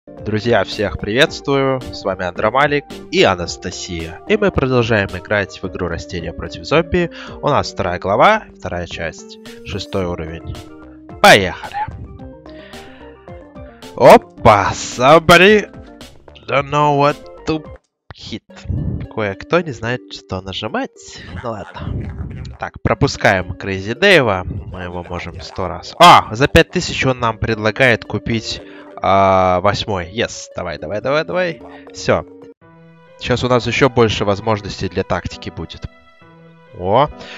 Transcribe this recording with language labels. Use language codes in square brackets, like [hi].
[ru] Друзья, всех приветствую, с вами Андромалик и Анастасия. И мы продолжаем играть в игру «Растения против зомби». У нас вторая глава, вторая часть, шестой уровень. Поехали! [en] Опа, somebody don't know what to hit. [ru] Кое-кто не знает, что нажимать. Ну ладно. Так, пропускаем Crazy Dave'а. Мы его можем 100 раз. А, за 5000 он нам предлагает купить... 8-й. [en] Yes. [ru] Давай. Все. Сейчас у нас еще больше возможностей для тактики будет. О.